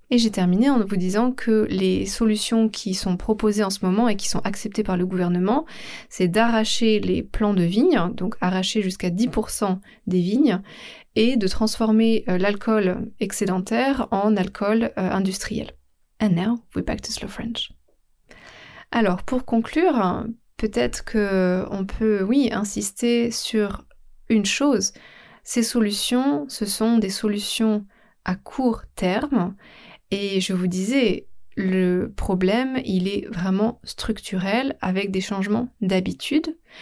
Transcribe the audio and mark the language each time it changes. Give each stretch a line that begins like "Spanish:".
French: Et j'ai terminé en vous disant que les solutions qui sont proposées en ce moment et qui sont acceptées par le gouvernement, c'est d'arracher les plants de vigne, donc arracher jusqu'à 10% des vignes, et de transformer l'alcool excédentaire en alcool industriel.
English: And now, we're back to slow French.
French: Alors, pour conclure, peut-être qu'on peut, oui, insister sur une chose. Ces solutions, ce sont des solutions à court terme, et je vous disais, le problème, il est vraiment structurel avec des changements d'habitude.